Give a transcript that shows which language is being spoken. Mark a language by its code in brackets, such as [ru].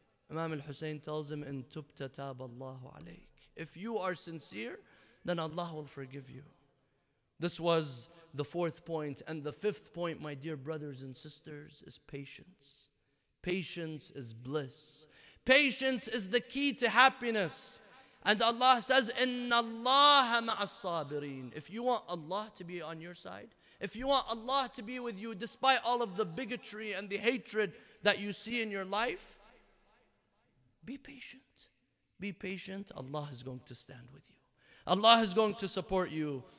[en] Imam al-Husayn tells him, [ar] in tubta taballahu alayk. [en] If you are sincere, then Allah will forgive you. This was the fourth point. And the fifth point, my dear brothers and sisters, is patience. Patience is bliss. Patience is the key to happiness. And Allah says, [ar] إِنَّ اللَّهَ مَعَ الصَّابِرِينَ. [en] If you want Allah to be on your side, if you want Allah to be with you despite all of the bigotry and the hatred that you see in your life, be patient. Be patient. Allah is going to stand with you. Allah is going to support you.